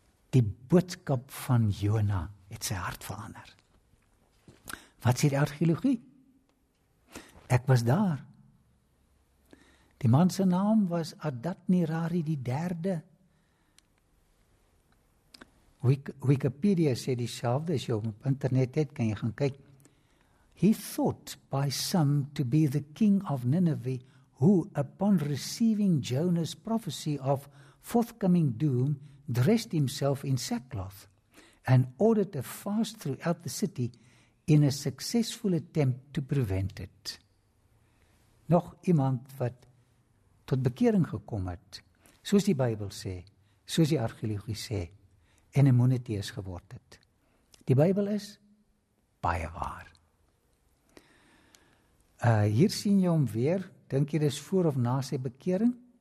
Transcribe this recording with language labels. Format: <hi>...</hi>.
<af>Die boodskap van Jona het sy hart verander. Wat sê die argeologie? Ek was daar. Die man se naam was Adad-nirari die derde. Wikipedia sê dieselfde, as jy op internet het, kan jy gaan kyk.</af> <en>He thought by some to be the king of Nineveh, who upon receiving Jonah's prophecy of forthcoming doom, dressed himself in sackcloth and ordered a fast throughout the city in a successful attempt to prevent it.</en> <af>Nog iemand wat tot bekering gekom het, soos die Bybel sê, soos die argeologie sê, en 'n moniteus geword het. Die Bybel is baie waar. Hier sien jy hom weer, dink jy dis voor of na sy bekering?</af>